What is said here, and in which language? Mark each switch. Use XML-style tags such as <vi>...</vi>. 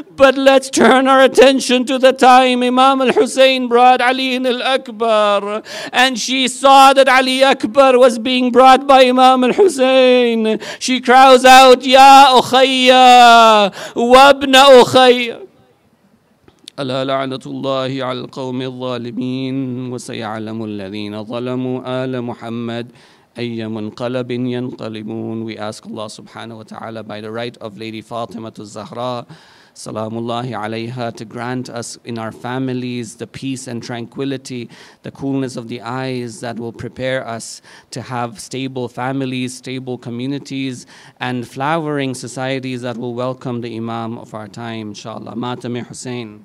<en>But let's turn our attention to the time Imam al-Hussein brought Ali al-Akbar. And she saw that Ali Akbar was being brought by Imam al-Hussein. She cries out,</en> <ar>Ya Ukhayya, Wabna Ukhayya. ألا لعنة الله على القوم الظالمين وسيعلم الذين ظلموا آل محمد أي منقلب ينقلبون.</ar> <en>We ask Allah subhanahu wa ta'ala by the right of Lady Fatima al-Zahra Salamullahi alayha to grant us in our families the peace and tranquility, the coolness of the eyes that will prepare us to have stable families, stable communities, and flowering societies that will welcome the Imam of our time, inshallah. Matami Hussein.</en>